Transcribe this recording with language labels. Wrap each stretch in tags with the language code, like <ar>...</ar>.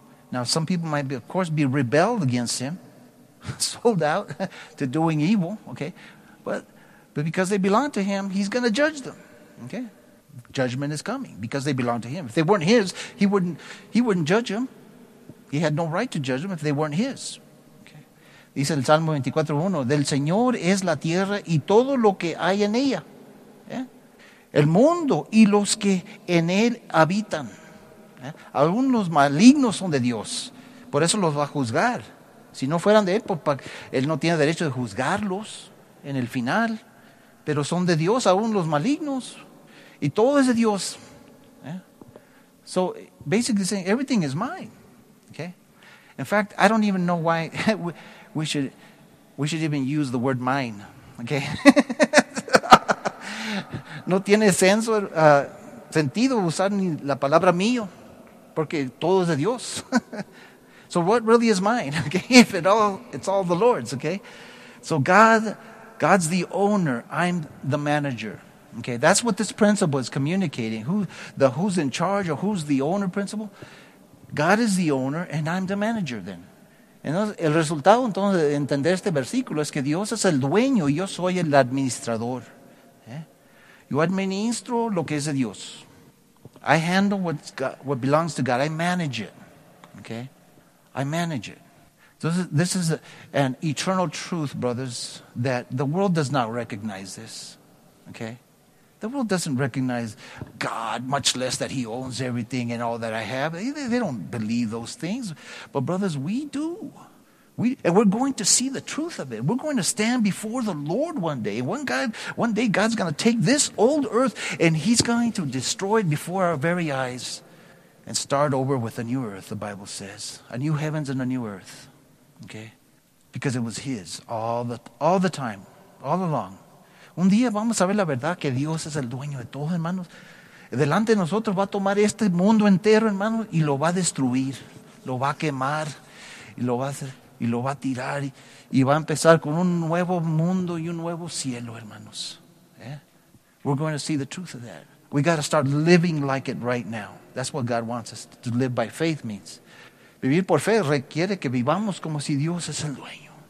<en>Now, some people might, be, of course, be rebelled against Him, sold out to doing evil, okay? But because they belong to Him, He's going to judge them, okay? Judgment is coming because they belong to Him. If they weren't His, He wouldn't judge them. He had no right to judge them if they weren't His. Okay?</en> <es>Dice el Salmo 24:1, del Señor es la tierra y todo lo que hay en ella. ¿Eh? El mundo y los que en él habitan. Algunos malignos son de Dios, por eso los va a juzgar. Si no fueran de él, él no tiene derecho de juzgarlos en el final, pero son de Dios aún los malignos, y todo es de Dios.</es> <en>So basically saying everything is mine. Okay, in fact, I don't even know why we should even use the word mine.</en> <es>Okay, no tiene sentido usar ni la palabra mío. Porque todo es de Dios.</es> <en>So what really is mine? Okay, if it all, it's all the Lord's, okay? So God's the owner. I'm the manager. Okay, that's what this principle is communicating. Who's in charge or who's the owner principle? God is the owner and I'm the manager then.</en> <es>Entonces, el resultado entonces de entender este versículo es que Dios es el dueño y yo soy el administrador. ¿Eh? Yo administro lo que es de Dios.</es> <en>I handle what belongs to God. I manage it. Okay? I manage it. So this is an eternal truth, brothers, that the world does not recognize this. Okay? The world doesn't recognize God, much less that He owns everything and all that I have. They don't believe those things. But brothers, we do. And we're going to see the truth of it. We're going to stand before the Lord one day. One day God's going to take this old earth and He's going to destroy it before our very eyes and start over with a new earth, the Bible says. A new heavens and a new earth. Okay? Because it was His all the time, all along.</en> <es>Un día vamos a ver la verdad que Dios es el dueño de todos, hermanos. Delante de nosotros va a tomar este mundo entero, hermanos, y lo va a destruir. Lo va a quemar. Y lo va a hacer... Y lo va a tirar y va a empezar con un nuevo mundo y un nuevo cielo, hermanos. ¿Eh?</es> <en>We're going to see the truth of that. We got to start living like it right now. That's what God wants us to live by faith means.</en> <es>Vivir por fe requiere que vivamos como si Dios es el dueño.</es>